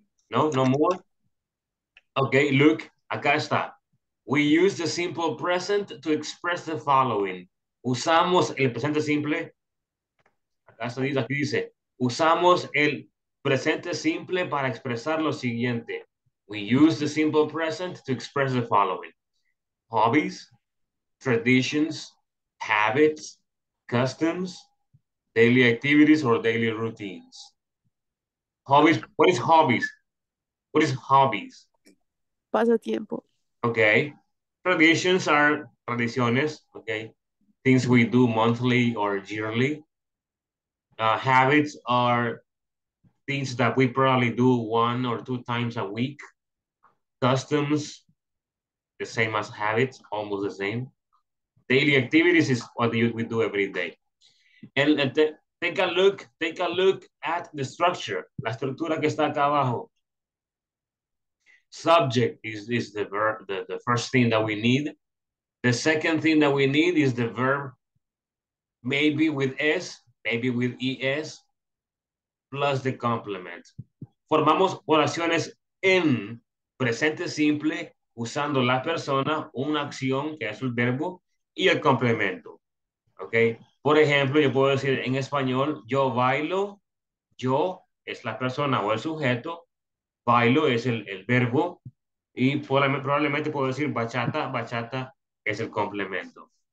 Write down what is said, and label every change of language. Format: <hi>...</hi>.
<en>No more? Okay, look,</en> <es>acá está.</es> <en>We use the simple present to express the following.</en> <es>Usamos el presente simple. Aquí dice, usamos el presente simple para expresar lo siguiente.</es> <en>We use the simple present to express the following. Hobbies, traditions, habits, customs, daily activities or daily routines. Hobbies, what is hobbies?</en> <es>Pasatiempo.</es> <en>Okay. Traditions are tradiciones. Okay. things we do monthly or yearly. Habits are things that we probably do one or two times a week. Customs, the same as habits, almost the same. Daily activities is what we do every day. And take a look at the structure.</en> <es>La estructura que está acá abajo.</es> <en>Subject is the verb, the first thing that we need. The second thing that we need is the verb, maybe with S, maybe with ES, plus the complement.</en> <es>Formamos oraciones en presente simple, usando la persona, una acción, que es el verbo, y el complemento, okay? Por ejemplo, yo puedo decir en español, yo bailo, yo es la persona o el sujeto, bailo es el verbo, y probablemente puedo decir bachata, bachata es el complemento.</es>